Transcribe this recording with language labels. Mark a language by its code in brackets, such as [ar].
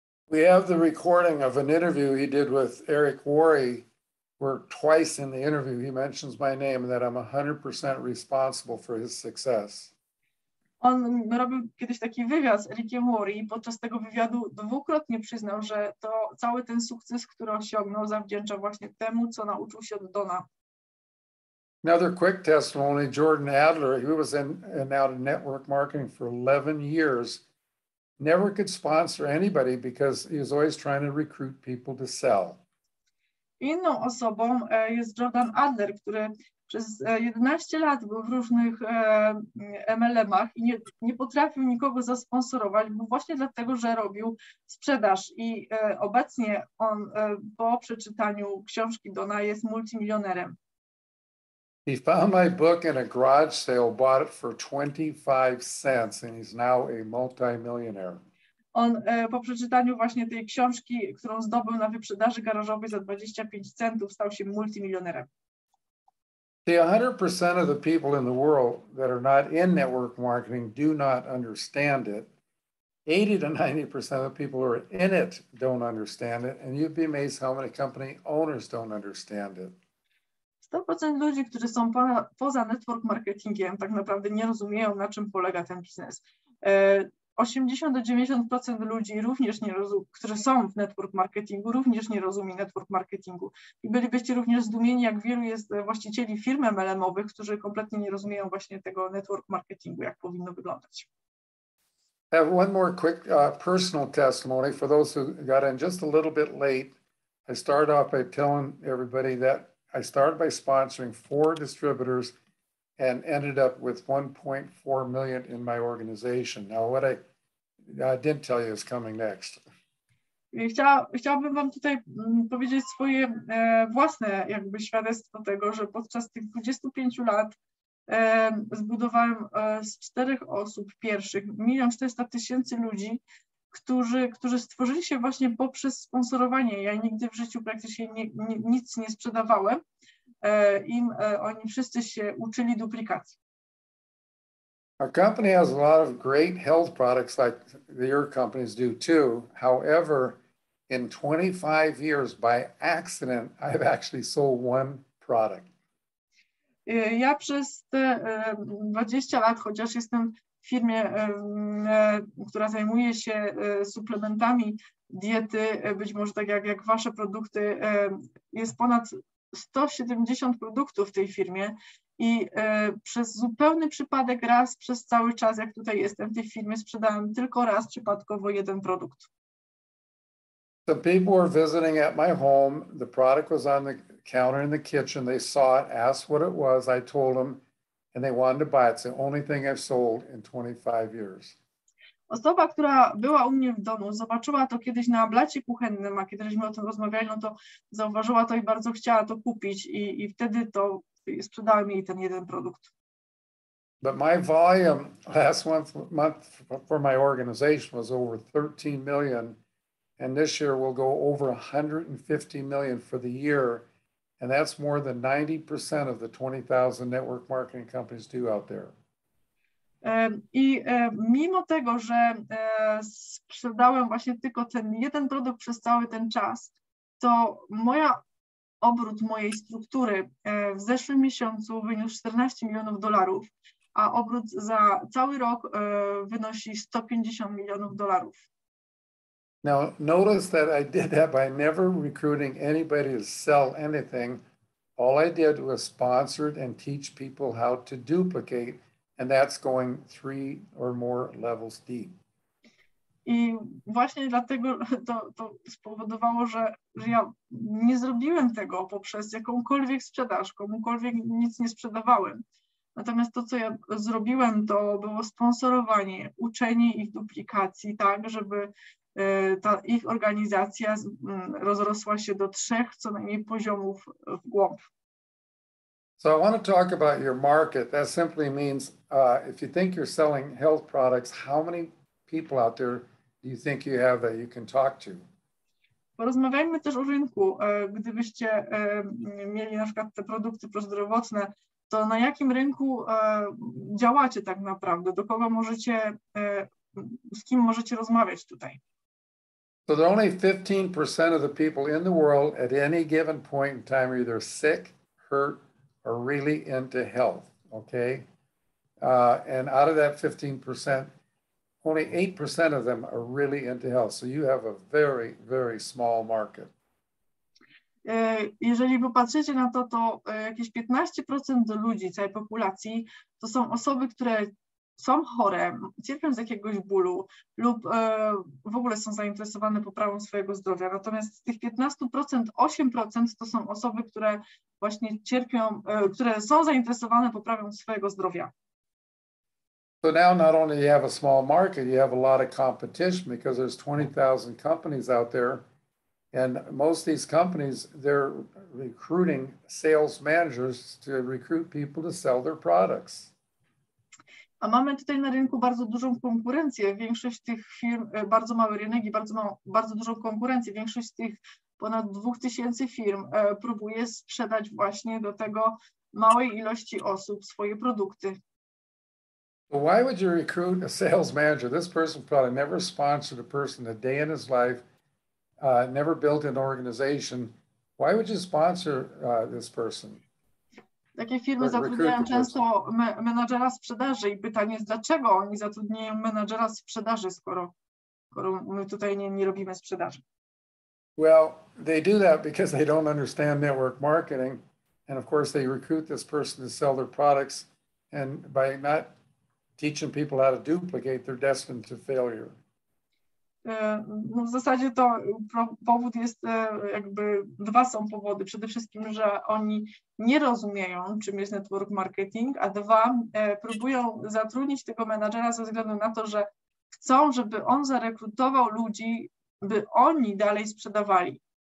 [en] We have the recording of an interview he did with Eric Worre, where twice in the interview he mentions my name and that I'm 100% responsible for his success. [pl] On robił kiedyś taki wywiad z Ericiem Worre i podczas tego wywiadu dwukrotnie przyznał, że to cały ten sukces, który osiągnął, zawdzięcza właśnie temu, co nauczył się od Dona. [en] Another quick testimony, Jordan Adler, he was in and out of network marketing for 11 years, never could sponsor anybody because he was always trying to recruit people to sell. [pl] Inną osobą jest Jordan Adler, który przez 11 lat był w różnych MLM-ach i nie potrafił nikogo zasponsorować, bo właśnie dlatego, że robił sprzedaż. I obecnie on po przeczytaniu książki Dona jest multimilionerem. [en] He found my book in a garage sale, bought it for 25 cents, and he's now a multimillionaire. [pl] On po przeczytaniu właśnie tej książki, którą zdobył na wyprzedaży garażowej za 25 centów, stał się multimilionerem. [en] See, 100% of the people in the world that are not in network marketing do not understand it. 80 to 90% of the people who are in it don't understand it. And you'd be amazed how many company owners don't understand it. [pl] 100% ludzi, którzy są poza network marketingiem, tak naprawdę nie rozumieją, na czym polega ten biznes. 80-90% ludzi, również nie którzy są w network marketingu, również nie rozumie network marketingu. I bylibyście również zdumieni, jak wielu jest właścicieli firm MLM-owych, którzy kompletnie nie rozumieją właśnie tego network marketingu, jak powinno wyglądać. [en] Have one more quick personal testimony for those who got in just a little bit late. I started off by telling everybody that I started by sponsoring 4 distributors and ended up with 1.4 million in my organization. Now, what I didn't tell you is coming next. [pl] Chciałabym wam tutaj powiedzieć swoje własne jakby świadectwo tego, że podczas tych 25 lat zbudowałem z 4 osób pierwszych 1 400 000 ludzi, którzy stworzyli się właśnie poprzez sponsorowanie. Ja nigdy w życiu praktycznie nic nie sprzedawałem. Oni wszyscy się uczyli duplikacji. [en] Our company has a lot of great health products like your companies do too. However, in 25 years by accident, I've actually sold one product. [pl] Ja przez te 20 lat, chociaż jestem w firmie, która zajmuje się suplementami diety, być może tak jak wasze produkty, jest ponad 170 produktów w tej firmie i przez zupełny przypadek raz przez cały czas, jak tutaj jestem w tej firmie, sprzedałem tylko raz przypadkowo jeden produkt. [en] The people were visiting at my home. The product was on the counter in the kitchen. They saw it, asked what it was. I told them, and they wanted to buy it. It's the only thing I've sold in 25 years. [pl] Osoba, która była u mnie w domu, zobaczyła to kiedyś na blacie kuchennym, a kiedyśmy o tym rozmawiali, no to zauważyła to i bardzo chciała to kupić i wtedy to sprzedałem jej ten jeden produkt. [en] But my volume last month for my organization was over 13 million. And this year we'll go over 150 million for the year. And that's more than 90% of the 20,000 network marketing companies do out there. [pl] I mimo tego, że sprzedałem właśnie tylko ten jeden produkt przez cały ten czas, to moja obrót mojej struktury w zeszłym miesiącu wyniósł 14 milionów dolarów, a obrót za cały rok wynosi 150 milionów dolarów. [en] Now, notice that I did that by never recruiting anybody to sell anything. All I did was sponsored and teach people how to duplicate, and that's going 3 or more levels deep. [pl] I właśnie dlatego to spowodowało, że ja nie zrobiłem tego poprzez jakąkolwiek sprzedaż, komukolwiek nic nie sprzedawałem. Natomiast to, co ja zrobiłem, to było sponsorowanie, uczenie ich duplikacji tak, żeby ta ich organizacja rozrosła się do 3 co najmniej poziomów w głąb. [en] So I want to talk about your market. That simply means if you think you're selling health products, how many people out there do you think you have that you can talk to? [pl] Porozmawiajmy też o rynku. Gdybyście mieli na przykład te produkty prozdrowotne, to na jakim rynku działacie tak naprawdę? Do kogo możecie, z kim możecie rozmawiać tutaj? [en] So there are only 15% of the people in the world at any given point in time are either sick, hurt, or really into health, okay? And out of that 15%, only 8% of them are really into health. So you have a very, very small market. [pl] Jeżeli popatrzycie na to, to jakieś 15% do ludzi, całej populacji, to są osoby, które są chore, cierpią z jakiegoś bólu lub w ogóle są zainteresowane poprawą swojego zdrowia. Natomiast z tych 15%, 8% to są osoby, które właśnie cierpią, które są zainteresowane poprawą swojego zdrowia. [en] So now not only you have a small market, you have a lot of competition because there's 20,000 companies out there. And most of these companies, they're recruiting sales managers to recruit people to sell their products. [pl] A mamy tutaj na rynku bardzo dużą konkurencję. Większość tych firm, bardzo mały rynek i bardzo dużą konkurencję. Większość tych ponad 2000 firm próbuje sprzedać właśnie do tego małej ilości osób swoje produkty. [en] Why would you recruit a sales manager? This person probably never sponsored a person a day in his life, never built an organization. Why would you sponsor this person? [pl] Takie firmy zatrudniają często menadżera sprzedaży i pytanie jest, dlaczego oni zatrudniają menadżera sprzedaży, skoro my tutaj nie robimy sprzedaży? [en] Well, they do that because they don't understand network marketing, and of course they recruit this person to sell their products, and by not teaching people how to duplicate, they're destined to failure. [pl] No w zasadzie to powód jest, jakby dwa są powody. Przede wszystkim, że oni nie rozumieją, czym jest network marketing, a dwa, próbują zatrudnić tego menadżera ze względu na to, że chcą, żeby on zarekrutował ludzi, by oni dalej sprzedawali.